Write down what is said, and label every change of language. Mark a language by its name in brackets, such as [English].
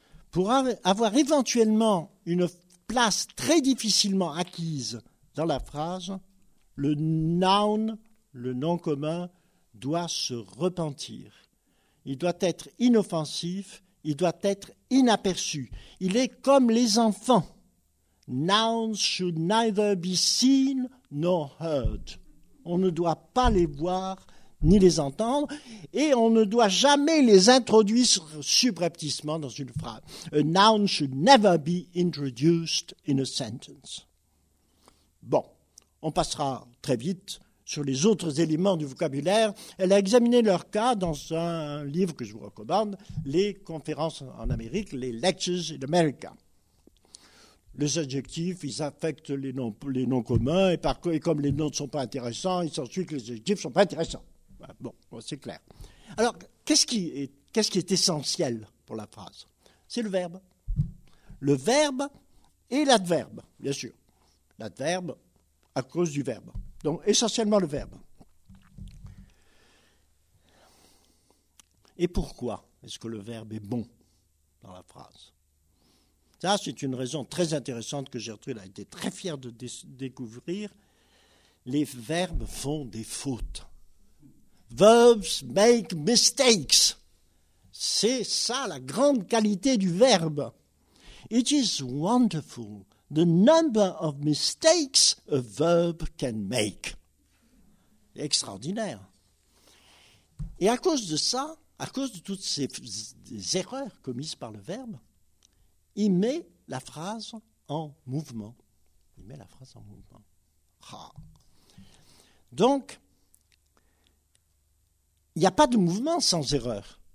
[French] Pour avoir éventuellement une place très difficilement acquise dans la phrase, le noun, le nom commun, doit se repentir. Il doit être inoffensif, il doit être inaperçu. Il est comme les enfants. [English] Nouns should neither be seen nor heard. [French] On ne doit pas les voir ni les entendre, et on ne doit jamais les introduire subrepticement dans une phrase. [English] A noun should never be introduced in a sentence. [French] Bon, on passera très vite sur les autres éléments du vocabulaire. Elle a examiné leur cas dans un livre que je vous recommande, Les conférences en Amérique, les Lectures in America. Les adjectifs, ils affectent les noms communs, et comme les noms ne sont pas intéressants, il s'ensuit que les adjectifs ne sont pas intéressants. Bon, c'est clair. Alors, qu'est-ce qui est essentiel pour la phrase? C'est le verbe. Le verbe et l'adverbe, bien sûr. L'adverbe à cause du verbe. Donc, essentiellement le verbe. Et pourquoi est-ce que le verbe est bon dans la phrase? Ça, c'est une raison très intéressante que Gertrude a été très fière de découvrir. Les verbes font des fautes. [English] Verbs make mistakes. [French] C'est ça la grande qualité du verbe. [English] It is wonderful the number of mistakes a verb can make. [French] Extraordinaire. Et à cause de ça, à cause de toutes ces erreurs commises par le verbe, il met la phrase en mouvement. Il met la phrase en mouvement. Ah. Donc, il n'y a pas de mouvement sans erreur.